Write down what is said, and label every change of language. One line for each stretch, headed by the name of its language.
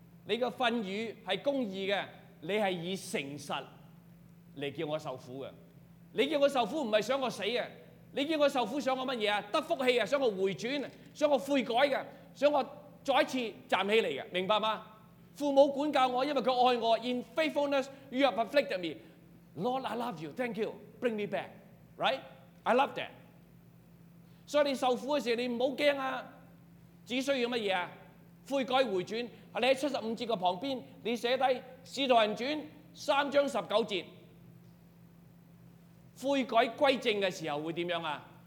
Chinese: 你的訓語是公義的，你是以誠實來叫我受苦的。你叫我受苦不是想我死的，你叫我受苦想我什麼？得福氣，想我回轉，想我悔改的，想我再一次站起來的，明白嗎？父母管教我，因為他愛我。
English: In faithfulness, you have afflicted me. Lord, I love you, thank you, bring me back. Right? I love that.
Chinese: 所以你受苦的時候，你不要怕，只需要什麼？悔改回轉。你在75節的旁邊，你寫下《使徒行傳》3:19，悔改歸正的時候會怎樣？